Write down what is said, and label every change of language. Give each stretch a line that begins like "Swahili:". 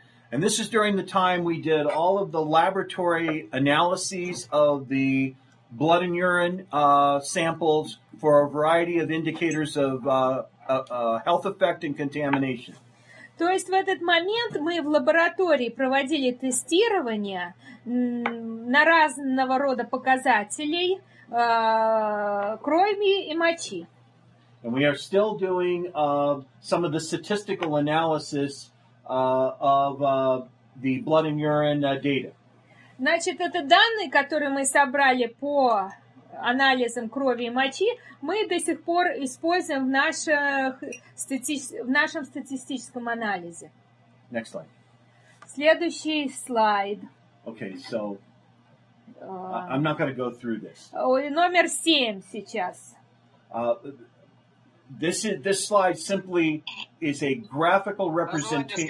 English: And this is during the time we did all of the laboratory analyses of the blood and urine samples for a variety of indicators of health effect and contamination.
Russian: То есть в этот момент мы в лаборатории проводили тестирование на разного рода показателей крови и мочи.
English: And we are still doing some of the statistical analysis of the blood and urine data.
Russian: Значит, это данные, которые мы собрали по анализам крови и мочи, мы до сих пор используем в нашем статистическом анализе.
English: Next slide.
Russian: Следующий слайд.
English: Okay, so I'm not going to go through this.
Russian: Номер 7 сейчас.
English: This slide simply is a graphical representation.